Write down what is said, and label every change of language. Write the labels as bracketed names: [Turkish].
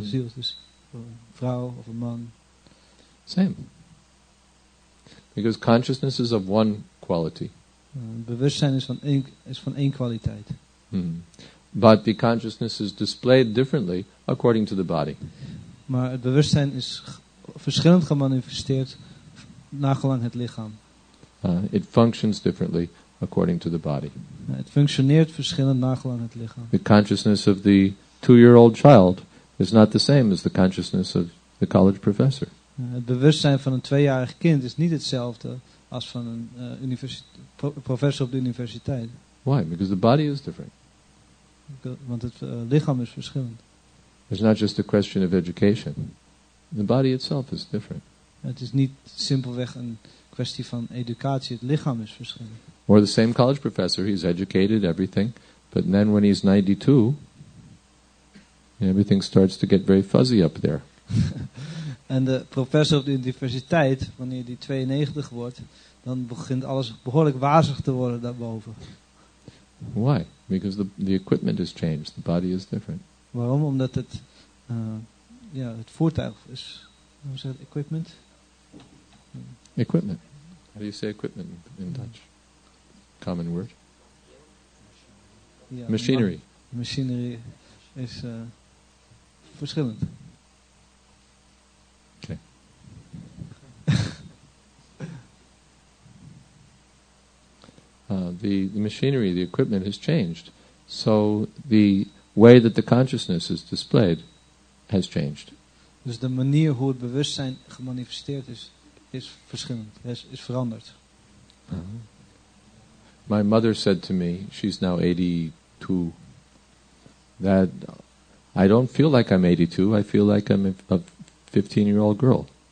[Dutch] De ziel is dus een vrouw of een man. [English] Same. Because consciousness is of one quality. [Dutch] Bewustzijn is van één kwaliteit. Hmm. [English] But the consciousness is displayed differently according to the body. [Dutch] Maar het bewustzijn is verschillend gemanifesteerd nagelang het lichaam. [English] It functions differently according to the body. [Dutch] Het functioneert verschillend nagelang het lichaam. [English] The consciousness of the 2-year-old child is not the same as the consciousness of the college professor. [Dutch] Het bewustzijn van een 2-jarig kind is niet hetzelfde als van een professor op de universiteit. [English] Why? Because the body is different. [Dutch] Want het lichaam is verschillend. [English] It's not just a question of education. The body itself is different. [Dutch] Het is niet simpelweg een kwestie van educatie. Het lichaam is verschillend. [English] Or the same college professor, he's educated, everything. But then when he's 92, everything starts to get very fuzzy up there. [Dutch] En de professor op de universiteit, wanneer die 92 wordt, dan begint alles behoorlijk wazig te worden daarboven. [English] Why? Because the equipment has changed. The body is different. [Dutch] Waarom? Omdat het het voertuig is. Hoe zeg je het? Equipment? [English] Equipment. How do you say equipment in Dutch? Common word. [Dutch] Ja, machinery. Machinery is verschillend. [English] The machinery, the equipment has changed. So the way that the consciousness is displayed has changed. [Dutch] Dus de manier hoe het bewustzijn gemanifesteerd is verschillend, is veranderd. Uh-huh. [English] My mother said to me, she's now 82, that I don't feel like I'm 82, I feel like I'm a 15-year-old girl.